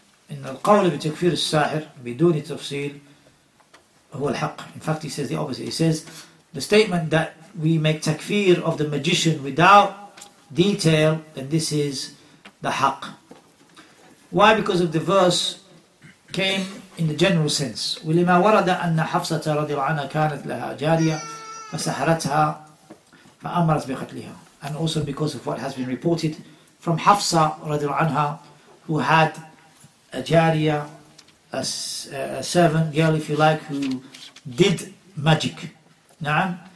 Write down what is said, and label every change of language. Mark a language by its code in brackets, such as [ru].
[ar] إن القول بتكفير الساحر بدون تفصيل هو الحق. [en] In fact, he says the opposite. He says the statement that we make takfir of the magician without detail, then this is the haq. Why? Because of the verse came in the general sense. [ar] ولما ورد أن حفصة رضي الله عنها كانت لها جارية فسحرتها فأمرت بقتلها. [en] And also because of what has been reported from Hafsa [ar] رضي الله عنها, [en] who had a jariya, a servant girl, if you like, who did magic. Na'am.